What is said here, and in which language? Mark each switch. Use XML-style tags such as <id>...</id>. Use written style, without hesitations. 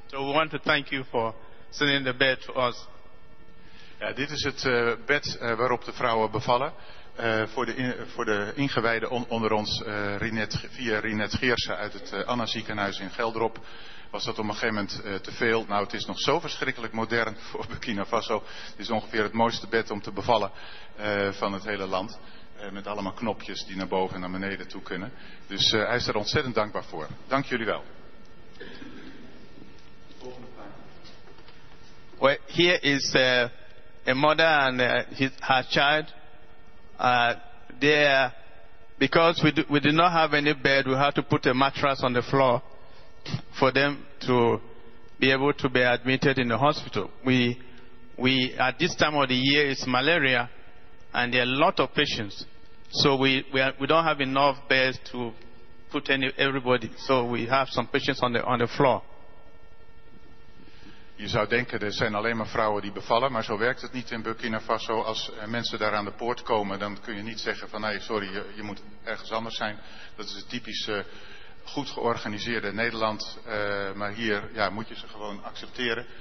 <en>So we want to thank you for sending the bed to us.</en> <nl>Ja, dit is het bed waarop de vrouwen bevallen. Voor de ingewijden onder ons, via Rinette Geersen uit het Anna ziekenhuis in Geldrop, was dat op een gegeven moment te veel. Nou, het is nog zo verschrikkelijk modern voor Burkina Faso. Het is ongeveer het mooiste bed om te bevallen van het hele land. Met allemaal knopjes die naar boven en naar beneden toe kunnen. Dus hij is er ontzettend dankbaar voor. Dank jullie wel.</nl> <en>Well, here is a mother and her child. There, because we did not have any bed, we had to put a mattress on the floor for them to be able to be admitted in the hospital. We at this time of the year it's malaria, and there are a lot of patients, so we don't have enough beds to put everybody. So we have some patients on the floor.</en> <nl>Je zou denken, er zijn alleen maar vrouwen die bevallen, maar zo werkt het niet in Burkina Faso. Als mensen daar aan de poort komen, dan kun je niet zeggen van, nee, sorry, je moet ergens anders zijn. Dat is het typische goed georganiseerde Nederland, maar hier ja, moet je ze gewoon accepteren.</nl>